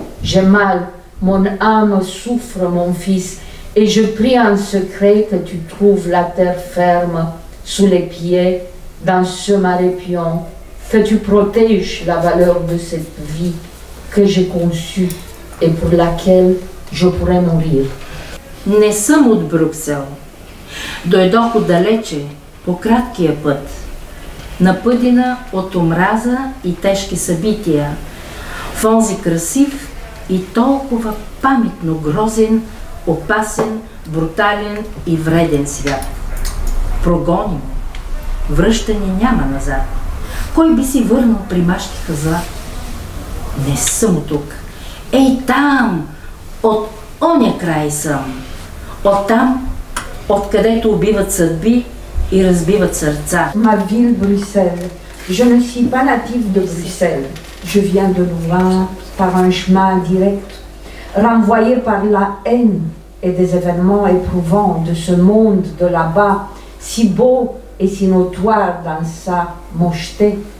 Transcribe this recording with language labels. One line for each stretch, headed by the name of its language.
French: J'ai mal, mon âme souffre, mon fils, et je prie en secret que tu trouves la terre ferme sous les pieds dans ce marais pion, que tu protèges la valeur de cette vie que j'ai conçue et pour laquelle je pourrais mourir.
Bulgarian: Не съм от Брюксел. Дойдох отдалече, по краткия път, напъдена от омраза и тежки събития, в онзи красив и толкова паметно грозен, опасен, брутален и вреден свят. Прогони му. Връщане няма назад. Кой би си върнал при мащиха зла? Не съм от тук. Ей там, от оня край съм. Оттам, откъдето убиват съдби и разбиват сърца.
French: Ma ville Bruxelles. Je ne suis pas native de Bruxelles. Je viens de loin par un chemin direct. renvoyé par la haine et des événements éprouvants de ce monde de là-bas, si beau et si notoire dans sa mocheté.